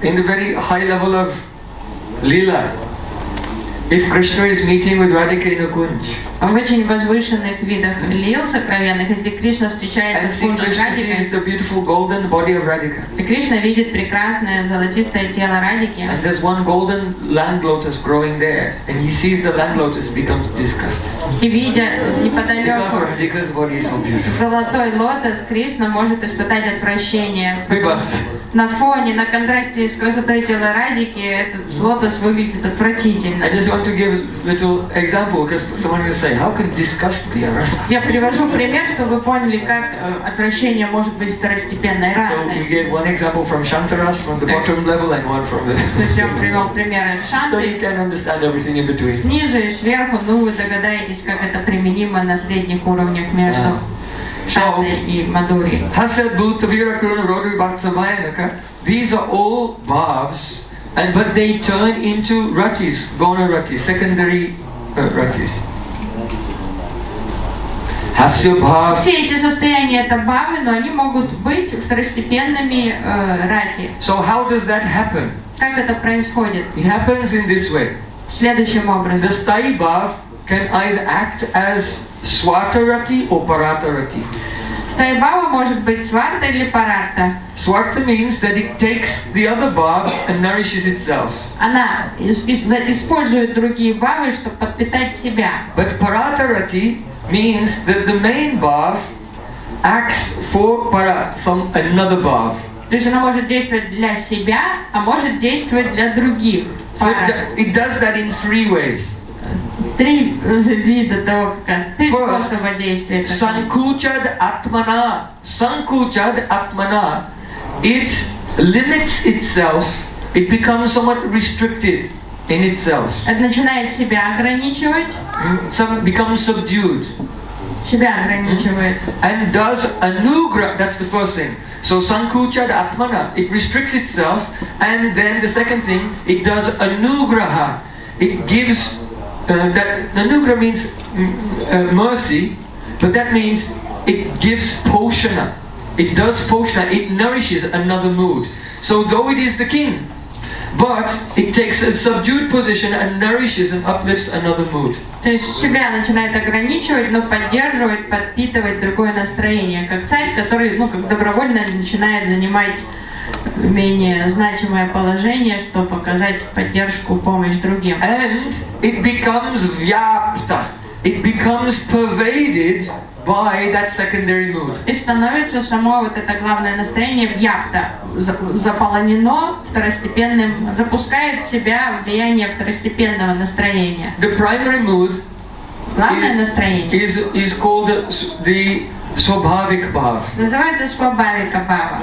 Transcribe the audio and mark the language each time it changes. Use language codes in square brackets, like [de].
[en] In the very high level of lila. If Krishna is meeting with Radhika in a kunj, [ru] в очень возвышенных видах лил сокровенных, если Кришна встречается с Радикой, [en] and sees the beautiful golden body of Radhika. [ru] И Кришна видит прекрасное золотистое тело Радики. [en] And there's one golden land lotus growing there, and he sees the land lotus becomes disgusted. [ru] И видя неподалеку, [en] because Radhika's body is so beautiful. [ru] Золотой лотос Кришна может испытать отвращение. На фоне, на контрасте с красотой тела Радики этот лотос выглядит отвратительно. [en] I want to give a little example because someone will say, how can disgust be a rasa? [ru] Я привожу пример, чтобы вы поняли, как отвращение может быть второстепенной расой. [en] So we gave one example from Shantaras from the bottom level and one from the. [ru] То есть я привел пример из Шанты. [en] So you can understand everything in between. [ru] Снизу и сверху, ну вы догадаетесь, как это применимо на средних уровнях между Шантой и Мадури. [en] Hasya, adbhuta, virya, karuna, rota, vibhatsa, bayaka. These are all bhavs. And but they turn into ratis, gona ratis, secondary ratis. Hasya bhav. [ru] Все эти состояния это бхавы, но они могут быть второстепенными рати. [en] So how does that happen? [ru] Как это происходит? [en] It happens in this way. [ru] Следующим образом. [en] The sthayi bhav can either act as Swartarati or Paratarati. [ru] Стая бава может быть сварта или парарта. [en] Сварта means that it takes the other bhavas and nourishes itself. [ru] Она использует другие бавы, чтобы подпитать себя. [en] But Paratarati means that the main bhav acts for para, some another bhav. [ru] То есть она может действовать для себя, а может действовать для других. [en] So it does that in three ways. [ru] Три вида того, как способа действия. [sa] Sankuchad atmana. Sankuchad atmana. [en] It limits itself. It becomes somewhat restricted in itself. [ru] Это начинает себя ограничивать. [en] Some becomes subdued. [ru] Себя ограничивает. [en] And does anugra. That's the first thing. So sankuchad atmana. It restricts itself. And then the second thing, it does anugraha. It gives. That anugra means mercy, but that means it gives poshana. It does poshana. It nourishes another mood. So though it is the king, but it takes a subdued position and nourishes and uplifts another mood. [ru] То есть себя начинает ограничивать, но поддерживает, подпитывает другое настроение, как царь, который, ну, как добровольно начинает занимать менее значимое положение, чтобы показать поддержку, помощь другим. [en] And it becomes vyapta. It becomes pervaded by that secondary mood. [ru] И становится само вот это главное настроение вьяхта, заполнено второстепенным, запускает в себя влияние второстепенного настроения. [en] The primary mood, [ru] главное настроение, [en] is called the swabhavik bhav. [ru] Называется swabhavika bhava.